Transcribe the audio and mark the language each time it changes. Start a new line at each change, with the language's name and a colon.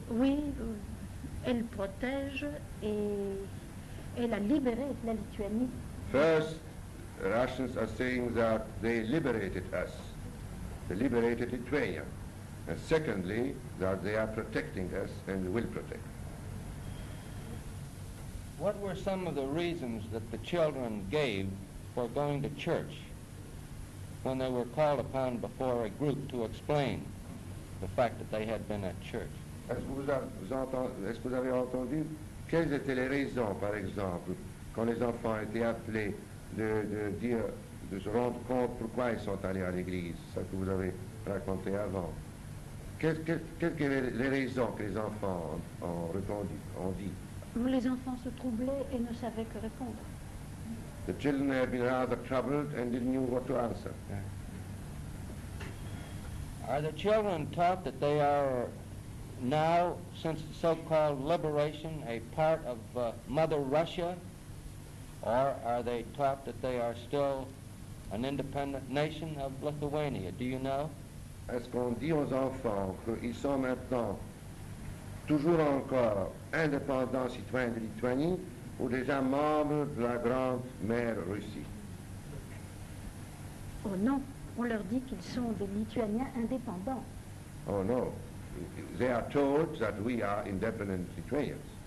French: Oui, elle protège et elle a libéré la Lituanie.
English: First, the Russians are saying that they liberated us, they liberated Lithuania, and secondly, that they are protecting us and will protect. What were some of the reasons that the children gave for going to church when they were called upon before a group to explain the fact that they had been at church?
French: Est-ce que vous avez entendu quelles étaient les raisons, par exemple, quand les enfants étaient appelés de se rendre compte pourquoi ils sont allés à l'église, ça que vous avez raconté avant. Quelles raisons que les enfants ont dit? Les enfants se troublaient et ne savaient que répondre.
English: The children had been rather troubled and didn't know what to answer. Are the children taught that they are now, since the so-called liberation, a part of Mother Russia? Or are they taught that they are still an independent nation of Lithuania? Do you know?
French: Est-ce qu'on dit aux enfants qu'ils sont maintenant toujours encore indépendants citoyens de Lituanie ou déjà membres de la grande mère Russie? Oh non, on leur dit qu'ils sont des Lituaniens indépendants.
English: Oh no, they are told that we are independent Lithuanians.